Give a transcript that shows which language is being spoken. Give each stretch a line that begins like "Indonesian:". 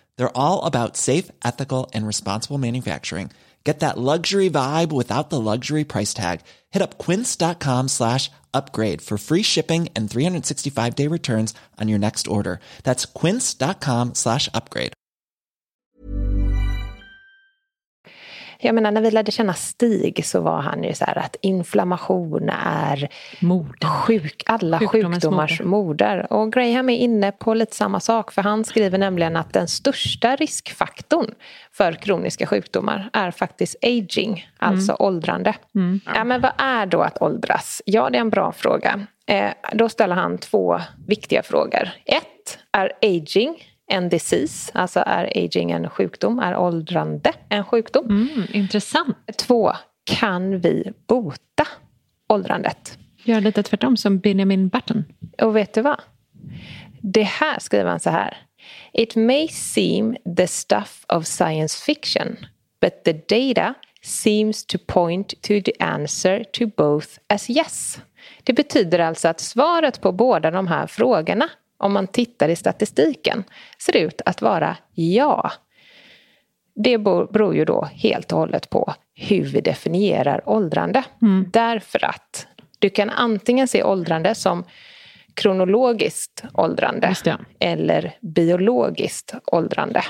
English: They're all about safe, ethical, and responsible manufacturing. Get that luxury vibe without the luxury price tag. Hit up quince.com/upgrade for free shipping and 365-day returns on your next order. That's quince.com/upgrade.
Swedish: Jag menar, när vi lärde känna Stig så var han ju så här att inflammation är alla sjukdomars moder. Och Graham är inne på lite samma sak, för han skriver nämligen att den största riskfaktorn för kroniska sjukdomar är faktiskt aging, alltså åldrande. Ja, men vad är då att åldras? Ja, det är en bra fråga. Då ställer han två viktiga frågor. Ett, är aging en disease, alltså är aging en sjukdom, är åldrande en sjukdom? Mm, intressant. Två, kan vi bota åldrandet? Gör lite tvärtom som Benjamin Button. Och vet du vad? Det här skriver han så här.
English: It may seem the stuff of science fiction, but the data seems to point to the answer to both as yes.
Swedish: Det betyder alltså att svaret på båda de här frågorna, om man tittar i statistiken, ser det ut att vara ja. Det beror ju då helt och hållet på hur vi definierar åldrande. Mm. Därför att du kan antingen se åldrande som kronologiskt åldrande eller biologiskt åldrande.